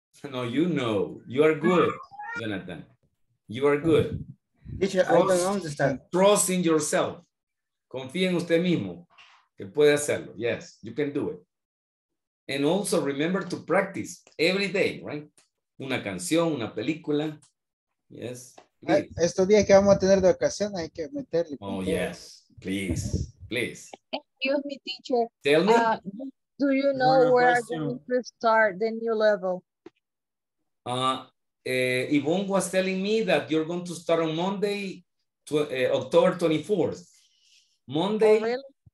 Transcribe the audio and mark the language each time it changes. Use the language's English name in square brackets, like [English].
[English] No, you know. You are good, Jonathan. You are good. Teacher, trust, I don't understand. Trust in yourself. [Spanish] Confía en usted mismo. Que puede hacerlo. [English] Yes, you can do it. And also remember to practice every day, right? [Spanish] Una canción, una película. Yes. Ay, estos días que vamos a tener de ocasión hay que meterle. [English] Oh, yes. Please. Excuse me, teacher. Tell me. Do you know where I'm going to start the new level? Yvonne was telling me that you're going to start on Monday, October 24th. Monday? Oh, really?